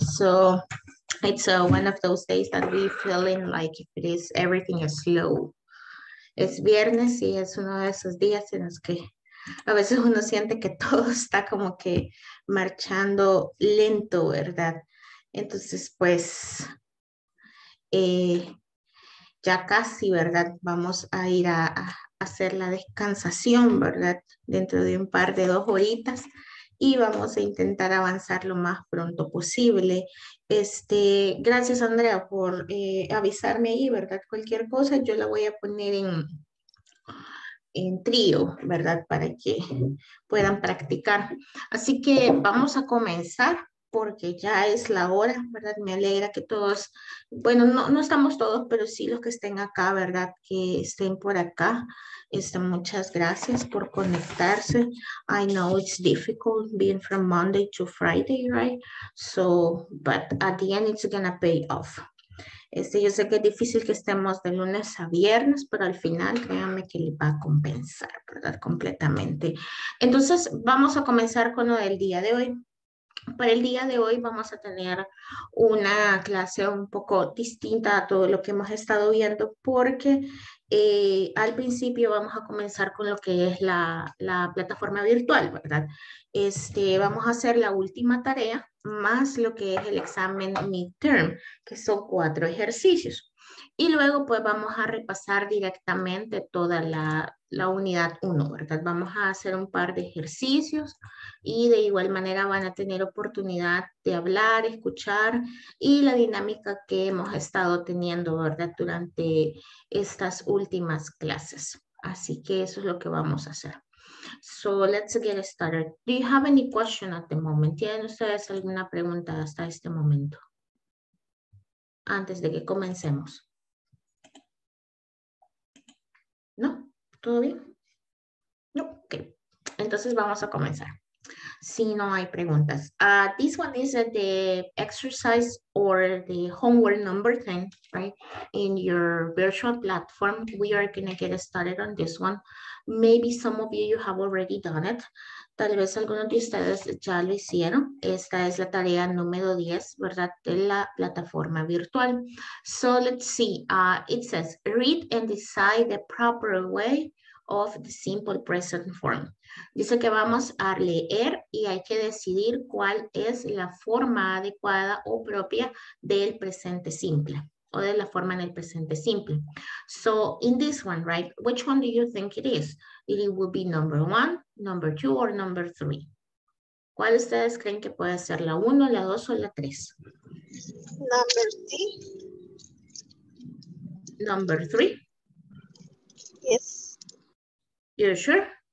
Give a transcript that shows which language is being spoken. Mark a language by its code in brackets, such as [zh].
[en] So it's one of those days that we're feeling like it is everything is slow. [es] Es viernes y es uno de esos días en los que a veces uno siente que todo está como que marchando lento, ¿verdad? Entonces, pues, ya casi, ¿verdad? Vamos a ir a hacer la descansación, ¿verdad? Dentro de un par de dos horitas y vamos a intentar avanzar lo más pronto posible. Gracias, Andrea, por avisarme ahí, ¿verdad? Cualquier cosa yo la voy a poner en trío, ¿verdad? Para que puedan practicar. Así que vamos a comenzar porque ya es la hora, ¿verdad? Me alegra que todos, bueno, no estamos todos, pero sí los que estén acá, ¿verdad? Que estén por acá. Muchas gracias por conectarse. [en] I know it's difficult being from Monday to Friday, right? So, but at the end it's gonna pay off. [es] Yo sé que es difícil que estemos de lunes a viernes, pero al final créanme que le va a compensar, ¿verdad? Completamente. Entonces, vamos a comenzar con lo del día de hoy. Para el día de hoy vamos a tener una clase un poco distinta a todo lo que hemos estado viendo porque al principio vamos a comenzar con lo que es la plataforma virtual, ¿verdad? Vamos a hacer la última tarea más lo que es el examen midterm, que son 4 ejercicios. Y luego pues vamos a repasar directamente toda la unidad 1, ¿verdad? Vamos a hacer un par de ejercicios y de igual manera van a tener oportunidad de hablar, escuchar y la dinámica que hemos estado teniendo, ¿verdad? Durante estas últimas clases. Así que eso es lo que vamos a hacer. [en] So let's get started. Do you have any question at the moment? [es] ¿Tienen ustedes alguna pregunta hasta este momento? Antes de que comencemos. ¿No? ¿Todo bien? No, ok. Entonces vamos a comenzar. Si no hay preguntas. [en] This one is the exercise or the homework number 10, right? In your virtual platform, we are going to get started on this one. Maybe some of you have already done it. [es] Tal vez algunos de ustedes ya lo hicieron. Esta es la tarea número 10, ¿verdad? De la plataforma virtual. [en] So let's see. It says, read and decide the proper way of the simple present form. [es] Dice que vamos a leer y hay que decidir cuál es la forma adecuada o propia del presente simple o de la forma en el presente simple. [en] So in this one, right, which one do you think it is? It would be number 1, number 2, or number 3. [es] ¿Cuál ustedes creen que puede ser la 1, la 2 o la 3? [en] Number 3. Number 3. Yes. You're sure?